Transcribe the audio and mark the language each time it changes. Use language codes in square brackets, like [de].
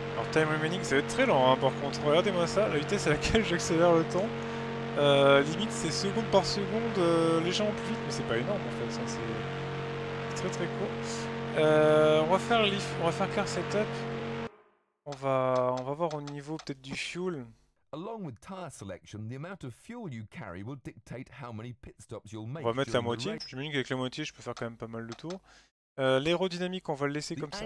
[fr] Time remaining, ça va être très lent hein, par contre. Regardez-moi ça, la vitesse à laquelle j'accélère le temps. Limite, c'est seconde par seconde, légèrement plus vite. Mais c'est pas énorme en fait, ça, c'est très très court. On va faire lift, on va faire car setup. On va voir au niveau peut-être du fuel. [en] Along with tire selection, the amount of fuel you carry will dictate how many pit stops you'll make. [fr] On va mettre la moitié. J'imagine qu'avec la moitié, je peux faire quand même pas mal de tours. L'aérodynamique, on va le laisser comme ça.